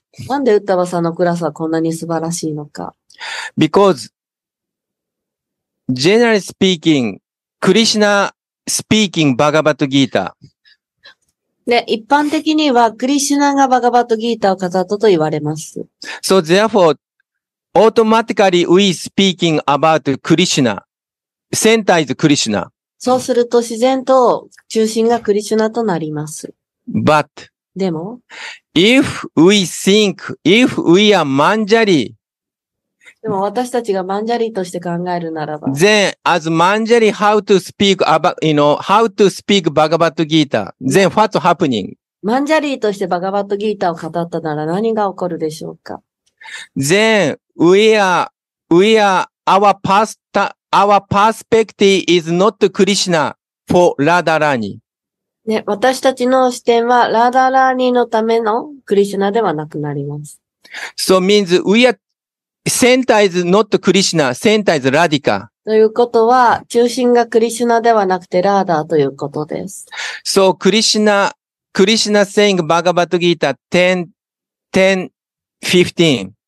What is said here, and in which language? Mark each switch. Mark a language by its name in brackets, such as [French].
[Japanese] なんでウッダバさんのクラスはこんなに素晴らしいのか。 [English] Because generally speaking, Krishna Speaking Bhagavad Gita. [Japanese] で、一般的にはクリシュナがバガバットギータを語ったと言われます。 [English] So therefore, automatically we speaking about Krishna, center is Krishna. [Japanese] そうすると自然と中心がクリシュナとなります。 [English] But, [Japanese] でも、 [English] if we think, if we are manjari, [Japanese] でも私たちがマンジャリとして考えるならば。 [English] Then, as manjari, how to speak about, you know, how to speak Bhagavad Gita? Then, what's happening? [Japanese] マンジャリとしてバガバットギータを語ったなら何が起こるでしょうか [English] ?Then, our perspective is not Krishna for Radharani.、 [Japanese] ね、私たちの視点はラダラーニのためのクリシナではなくなります。 [English] So means we areセンターイズノットクリシナ、センターイズラディカ。 [Japanese] ということは、中心がクリシナではなくてラーダーということです。 [English] So, クリシナ saying Bhagavad Gita 10:15.